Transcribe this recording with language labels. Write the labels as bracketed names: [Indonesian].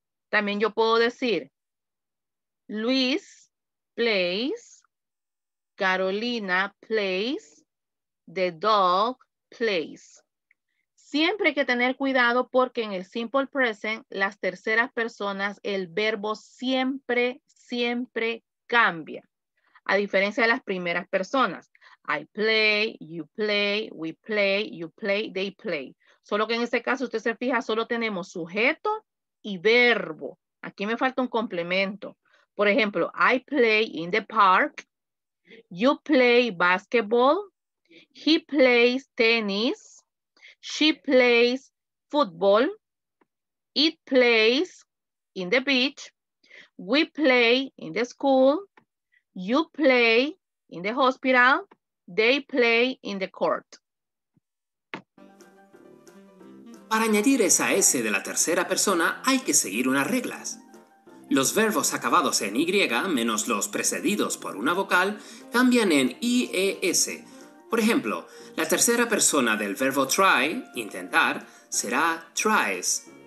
[Spanish] También yo puedo decir, [English] Luis plays, Carolina plays, the dog plays. [Spanish] Siempre hay que tener cuidado porque en el simple present, las terceras personas, el verbo siempre, siempre cambia. A diferencia de las primeras personas. [English] I play, you play, we play, you play, they play. [Spanish] Solo que en este caso, usted se fija, solo tenemos sujeto y verbo. Aquí me falta un complemento. Por ejemplo, [English] I play in the park, you play basketball, he plays tennis, she plays football, it plays in the beach, we play in the school, you play in the hospital, they play in the court. [Spanish] Para añadir esa S de la tercera persona hay que seguir unas reglas. Los verbos acabados en Y, menos los precedidos por una vocal, cambian en IES. Por ejemplo, la tercera persona del verbo try, intentar, será tries.